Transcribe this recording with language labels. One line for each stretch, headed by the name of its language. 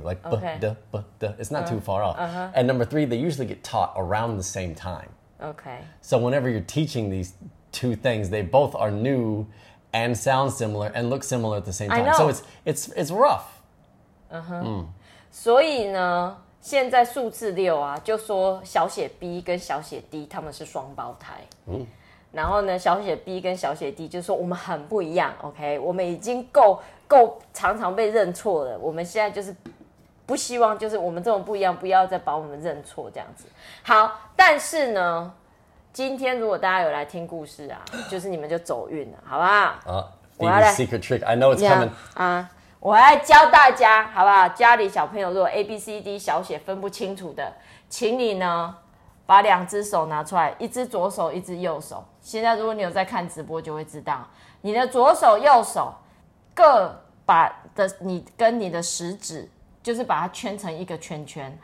English: Like b d b d, it's not too far off. And number three, they usually get taught around the same time. Okay. So whenever you're teaching these two things, they both are new and sound similar and look similar at the same time. I know. So it's rough.
Chinese: So 现在数字六啊，就说小写 B 跟小写 D 他们是双胞胎。嗯，然后呢，小写 B 跟小写 D 就说我们很不一样 ，OK？我们已经够常常被认错了，我们现在就是不希望就是我们这么不一样，不要再把我们认错这样子。好，但是呢，今天如果大家有来听故事啊，就是你们就走运了，好不好？啊，我来
English: secret trick， I know it's coming
Chinese: 啊。我来教大家，好不好？家里小朋友如果 A B C D 小写分不清楚的，请你呢把两只手拿出来，一只左手，一只右手。现在如果你有在看直播，就会知道你的左手、右手各把的你跟你的食指，就是把它圈成一个圈圈。